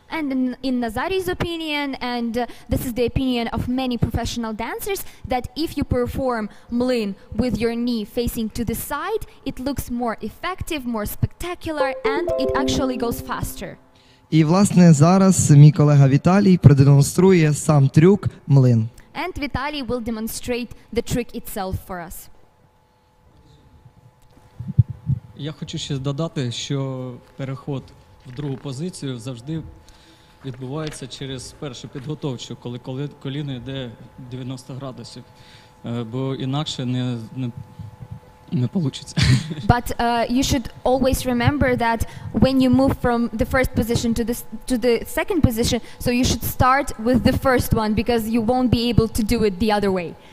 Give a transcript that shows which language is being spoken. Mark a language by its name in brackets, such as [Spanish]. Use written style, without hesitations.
[English] And in Nazari's opinion, and this is the opinion of many professional dancers, that if you perform млин with your knee facing to the side, it looks more effective, more spectacular, and it actually goes faster. [Ukrainian] І, власне, зараз мій колега Віталій продемонструє сам трюк млин. [English] And Vitaly will demonstrate the trick itself for us. [Ukrainian] Я хочу ще додати, що переход в другу позицію завжди відбувається через першу підготовчу, коли коліно йде 90 градусів, бо інакше не получиться. [English] But you should always remember that when you move from the first position to the second position, so you should start with the first one, because you won't be able to do it the other way.